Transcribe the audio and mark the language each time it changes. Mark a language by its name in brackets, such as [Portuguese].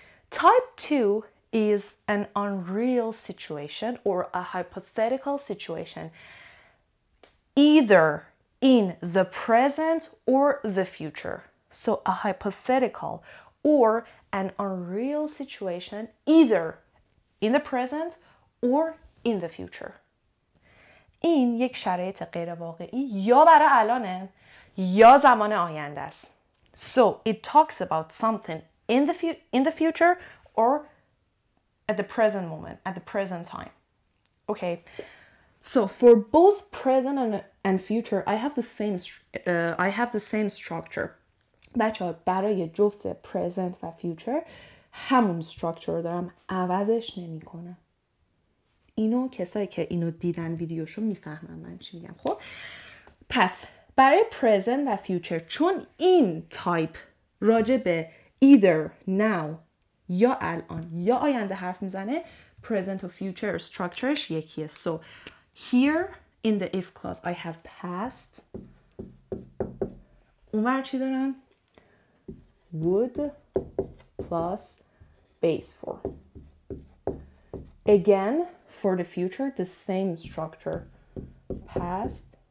[English] Type 2 is an unreal situation or a hypothetical situation either in the present or the future. So a hypothetical or an unreal situation either in the present or in the future. [Persian] این یک شرایط غیر واقعی یا برای الانه یا زمان آینده است. [English] So it talks about something in the future or at the present moment, at the present time. Okay. So for both present and future, I have the same structure. [Persian] بچه ها برای جفت present و future همون structure دارم، عوضش نمی کنه. اینو کسایی که اینو دیدن ویدیوشو میفهمن من چی میگم. خب پس برای present و future چون این type راجع به [English] either now [Persian] یا الان یا آینده حرف میزنه، present و future structureش یکیه. [English] So here in the if clause I have past. [Persian] اونور چی دارم؟ [English] would plus base for. Again, for the future, the same structure. Past.